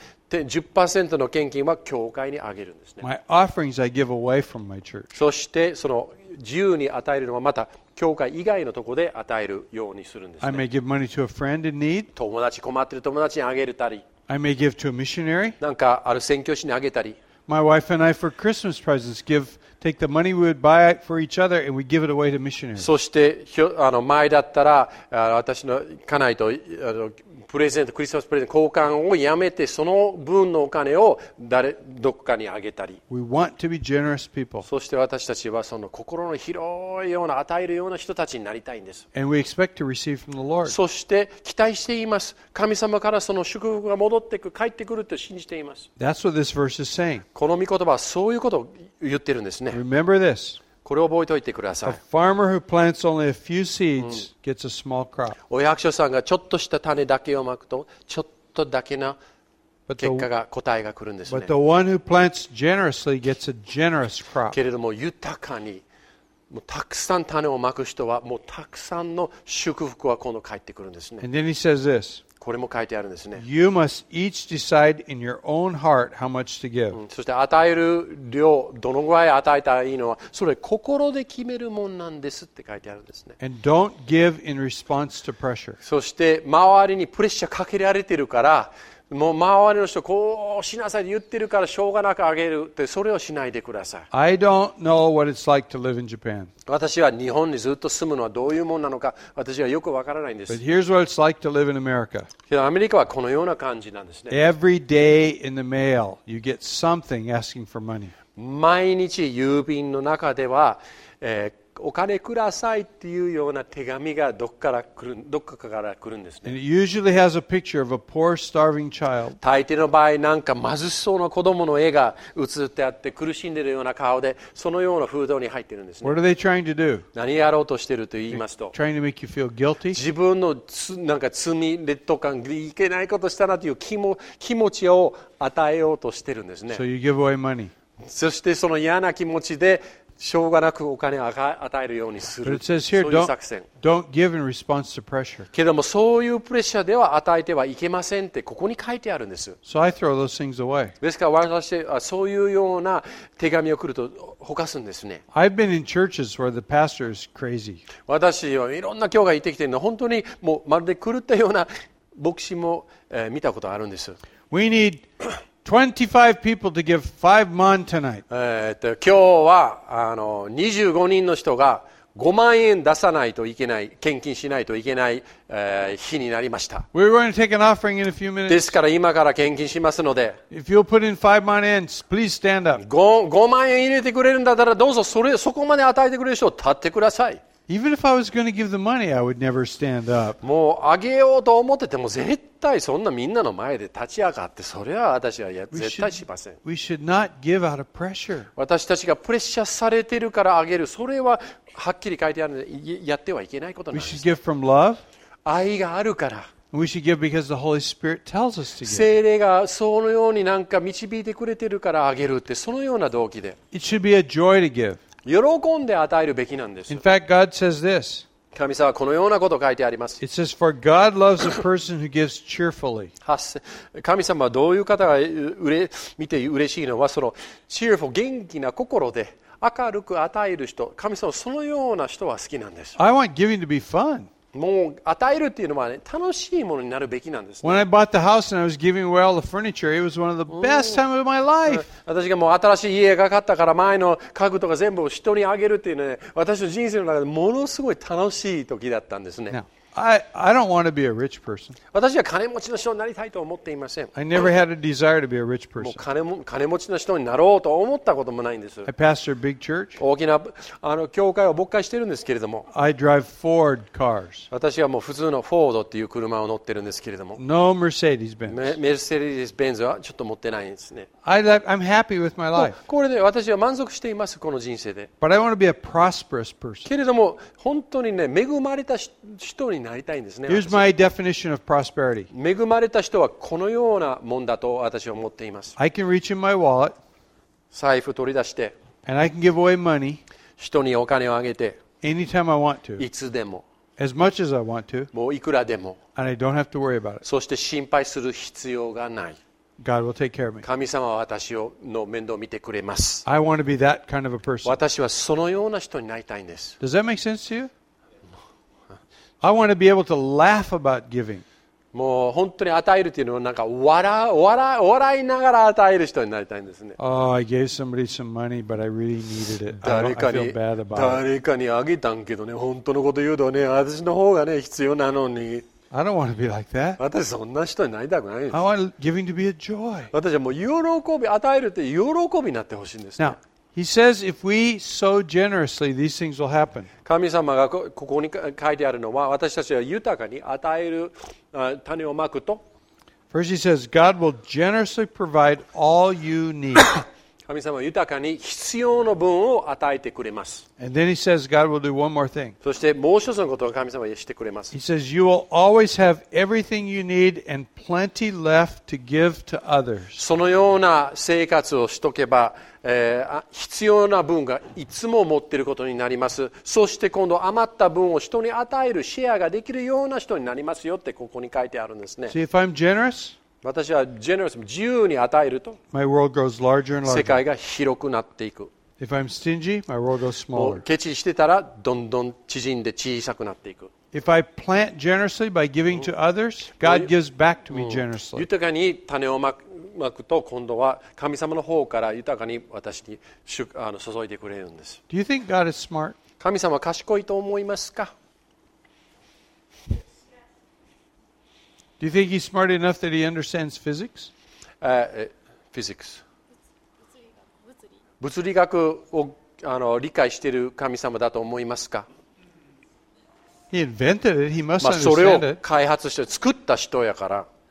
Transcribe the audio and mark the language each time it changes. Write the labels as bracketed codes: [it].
[ja] 10% の献金は教会にあげるんですね。 [en] My offerings I give away from my church. [ja] そしてその自由に与えるのはまた教会以外のところで与えるようにするんですね。 [en] I may give money to a friend in need. [ja] 友達困ってる友達にあげるたり。 [en] I may give to a missionary. [ja] なんかある宣教師にあげたり。 [en] My wife and I for Christmas presents take the money we would buy for each other and we give it away to missionaries. [ja] そして前だったら私の家内とプレゼントクリスマスプレゼント交換をやめてその分のお金を誰どこかにあげたり。 [en] We want to be generous people. [ja] そして私たちはその心の広いような与えるような人たちになりたいんです。 [en] And we expect to receive from the Lord. [ja] そして期待しています。神様からその祝福が戻ってく帰ってくると信じています。 [en] That's what this verse is saying. [ja] この御言葉はそういうことを言ってるんですね。 [en] Remember this. [ja] これを覚えておいてください。 [en] A farmer who plants only a few seeds gets a small crop. [ja] お役所さんがちょっとした種だけをまくと、ちょっとだけの結果が答えが来るんですね。 [en] But the one who plants generously gets a generous crop. [ja] けれども豊かに、もうたくさん種をまく人はもうたくさんの祝福は今度返ってくるんですね。 [en] And then he says this. [ja] これも書いてあるんですね。 [en] You must each decide in your own heart how much to give. [ja] そして与える量どのぐらい与えたらいいのはそれ心で決めるもんなんですって書いてあるんですね。 [en] And don't give in response to pressure. [ja] そして周りにプレッシャーかけられてるからもう周りの人こうしなさいと言ってるからしょうがなくあげるってそれをしないでください。 [en] I don't know what it's like to live in Japan. [ja] 私は日本にずっと住むのはどういうものなのか私はよくわからないんです。 [en] But here's what it's like to live in America. [ja] アメリカはこのような感じなんですね。 [en] Every day in the mail, you get something asking for money. [ja] 毎日郵便の中では、お金くださいっていうような手紙がどっかから来るんですね。 [en] And it usually has a picture of a poor, starving child. [ja] 大抵の場合なんか貧しそうな子供の絵が写ってあって苦しんでるような顔でそのような封筒に入ってるんですね。 [en] What are they trying to do? [ja] 何やろうとしてると言いますと、 [en] They're、trying to make you feel guilty? [ja] 自分のなんか罪、劣等感、いけないことしたなという気持ちを与えようとしてるんですね。 [en] So you give away money. [ja] そしてその嫌な気持ちでしょうがなくお金を与えるようにする。 [en] But it says here, [ja] そういう作戦。 [en] Don't give in response to pressure. [ja] けどもそういうプレッシャーでは与えてはいけませんってここに書いてあるんです。 [en] So I throw those things away. [ja] ですから私はそういうような手紙を来るとほかすんですね。 [en] I've been in churches where the pastor is crazy. [ja] 私はいろんな教会行ってきてるの本当にもうまるで狂ったような牧師も、見たことあるんです。 [en] We need 25 people to give 5 mon tonight. [ja] 今日はあの25人の人が5万円出さないといけない、献金しないといけない、日になりました。 [en] We're going to take an offering in a few minutes. [ja] ですから今から献金しますので。 [en] If you'll put in 5 mon in, please stand up. [ja] 5万円入れてくれるんだったらどうぞそこまで与えてくれる人、立ってください。 [en] Even if I was going to give the money, I would never stand up. [ja] もうあげようと思ってても絶対そんなみんなの前で立ち上がってそれは私は絶対しません。 [en] We should not give out of pressure. [ja] 私たちがプレッシャーされてるからあげるそれははっきり書いてあるのでやってはいけないことなんです。 [en] We should give from love. [ja] 愛があるから。 [en] We should give because the Holy Spirit tells us to give. [ja] 聖霊がそのようになんか導いてくれてるからあげるってそのような動機で。 [en] It should be a joy to give. [ja] 喜んで与えるべきなんです。 [en] In fact, God says this. [ja] 神様はこのようなことを書いてあります。 [en] It says, for God loves a person who gives cheerfully. [ja] 神様はどういう方が見て嬉しいのはその cheerful 元気な心で明るく与える人。神様はそのような人は好きなんです。 [en] I want giving to be fun. [ja] もう与えるっていうのは、ね、楽しいものになるべきなんです、ね。 [en] When I bought the house and I was giving away all the furniture, it was one of the best time of my life. [ja] 私がもう新しい家が買ったから前の家具とか全部人にあげるっていうのは、ね、私の人生の中でものすごい楽しい時だったんですね。 [en] Now, I don't want to be a rich person. [ja] 私は金持ちの人になりたいと思っていません。 [en] I never had a desire to be a rich person. [ja] もう金持ちの人になろうと思ったこともないんです。 [en] I pastor a big church. [ja] 大きなあの教会を牧会してるんですけれども。 [en] I drive Ford cars. [ja] 私はもう普通のフォードっていう車を乗ってるんですけれども。 [en] No Mercedes-Benz. [ja] Mercedes-Benz はちょっと持ってないんですね。 [en] I'm happy with my life. [ja] これで私は満足していますこの人生で。 [en] But I want to be a prosperous person. [ja] けれども本当にね恵まれた人に。なりたいんですね、 [en] Here's my definition of prosperity. [ja] 恵まれた人はこのようなもんだと私は思っています。 [en] I can reach in my wallet, [ja] 財布取り出して、 [en] and I can give away money, [ja] 人にお金をあげて、 [en] anytime I want to, [ja] いつでも、 [en] as much as I want to, [ja] もういくらでも、 [en] and I don't have to worry about it. [ja] そして心配する必要がない。 [en] God will take care of me. [ja] 神様は私の面倒を見てくれます。 [en] I want to be that kind of a person. [ja] 私はそのような人になりたいんです。 [en] Does that make sense to you? I want to be able to laugh about giving. [ja] もう本当に与えるというのはなんか笑いながら与える人になりたいんですね。 [en] Oh, I gave somebody some money, but I really needed it. I feel bad about it. [ja] 誰かにあげたんけどね、本当のこと言うとね、私の方がね必要なのに。 [en] I don't want to be like that. [ja] 私そんな人になりたくないんです。 [en] I want giving to be a joy. [ja] 私はもう喜び与えるって喜びになってほしいんですね。 [en] Now,He says, if we sow generously, these things will happen. [ja] 神様がここに書いてあるのは、私たちは豊かに与える種をまくと。 [en] First, he says, God will generously provide all you need. [ja] 神様は豊かに必要の分を与えてくれます。 [en] And then he says, God will do one more thing. [ja] そしてもう一つのことを神様はしてくれます。 [en] He says, you will always have everything you need and plenty left to give to others. [ja] そのような生活をしとけば、必要な分がいつも持っていることになります。そして今度余った分を人に与えるシェアができるような人になりますよってここに書いてあるんですね。 [en] See, if I'm generous, [ja] 私は generous 自由に与えると [en] my world grows larger and larger. [ja] 世界が広くなっていく。 [en] If I'm stingy, my world grows smaller. [ja] ケチしてたらどんどん縮んで小さくなっていく。 [en] If I plant generously by giving to others, God gives back to me generously. [ja] 豊かに種をまくと今度は神様の方から豊かに私に注いでくれるんです。 [en] Do you think God is smart? [ja] 神様は賢いと思いますか? [en] Do you think he's smart enough that he understands physics? Physics. [ja] 物理学を理解している神様だと思いますか? [en] He invented it. He must understand it. [ja] それを開発して作った人やから。